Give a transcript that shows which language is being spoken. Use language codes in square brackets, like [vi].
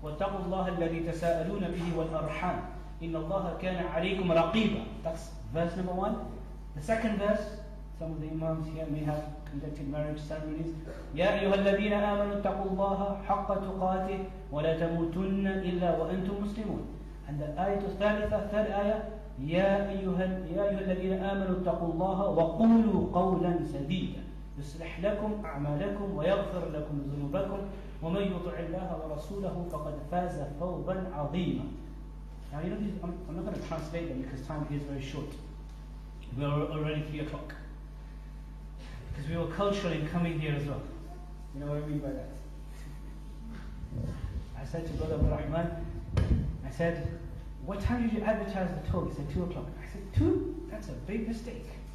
[ar] واتقوا الله الذي تساءلون به والأرحام إن الله كان عليكم رقيبا. [en] That's verse number one. The second verse, some of the imams here may have conducted marriage ceremonies. [ar] يا أيها الذين آمنوا اتقوا الله حق تقاته ولا تموتن إلا وأنتم مسلمون. [en] And the [ar] آية الثالثة, [en] third ayah, [ar] يا أيها الذين آمنوا اتقوا الله وقولوا قولا سديدا يصلح لكم أعمالكم ويغفر لكم ذنوبكم ومن يطع الله ورسوله فقد فاز فوزا عظيما. [en] Now you know these, I'm not going to translate them because time here is very short. We are already 3 o'clock. Because we were culturally coming here as well. You know what I mean by that? I said to Brother Abu Rahman, I said, what time did you advertise the talk? He said 2 o'clock. I said, 2? That's a big mistake.